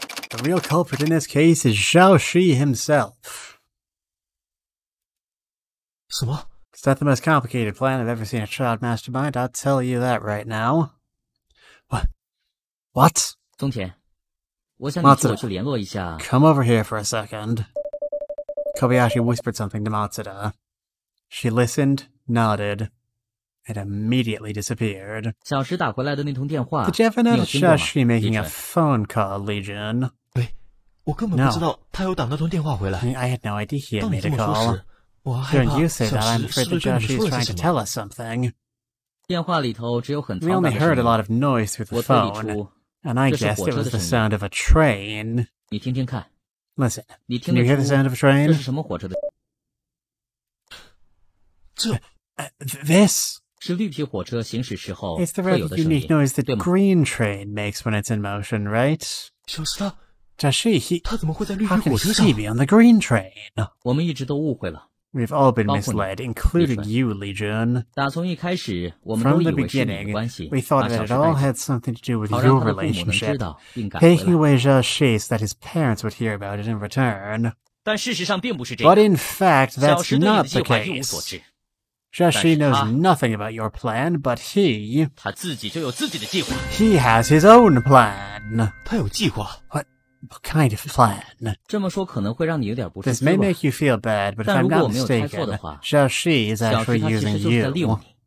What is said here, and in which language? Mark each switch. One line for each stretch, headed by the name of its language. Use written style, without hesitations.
English: The real culprit in this case is Shaoxi himself. It's not the most complicated plan I've ever seen a child mastermind, I'll tell you that right now. What?
Chinese: 宗田，我想你替我去联络一下。
English: Matsuda, come over here for a second. Kobayashi whispered something to Matsuda. She listened, nodded, and immediately disappeared.
Chinese: 小石打回来的那通电话，你有听过吗？
English: Did you ever notice Shashi making a phone call, Legion?
Chinese: 喂，我根本不知道他有打那通电话回来。
English: I had no idea he had made a call.
Chinese: 我害怕。
English: Don't you say that? I'm afraid that Shashi is trying to tell us something.
Chinese: 电话里头只有很嘈杂的声音。
English: We only heard a lot of noise through the phone, and I guessed it was the sound of a train.
Chinese: 你听听看。
English: Listen,
Chinese: 你听
English: can you hear the sound of a train?
Chinese: 这是什么火车的？这
English: this
Chinese: 是绿皮火车行驶时候会有的声音。
English: It's the rather unique noise that green train makes when it's in motion, right?
Chinese: 小石他
English: Does she? He,
Chinese: 他怎么会在绿皮火车上？
English: How can he be on the green train?
Chinese: 我们一直都误会了。
English: We've all been misled, including you, Legion.
Chinese: 打从一开始，我们都以为是你的关系。
English: From the beginning, we thought that it all had something to do with your relationship. Taking away Shaoxi so that his parents would hear about it in return.
Chinese: 但事实上并不是这样。
English: But in fact, that's not the case. Shaoxi knows nothing about your plan, but he...
Chinese: 他自己就有自己的计划。
English: He has his own plan.
Chinese: 他有计划。
English: What? What kind of plan?
Chinese: 这么说可能会让你有点不舒服。
English: This may make you feel bad, but if I'm not mistaken, Shaoxi is actually using you.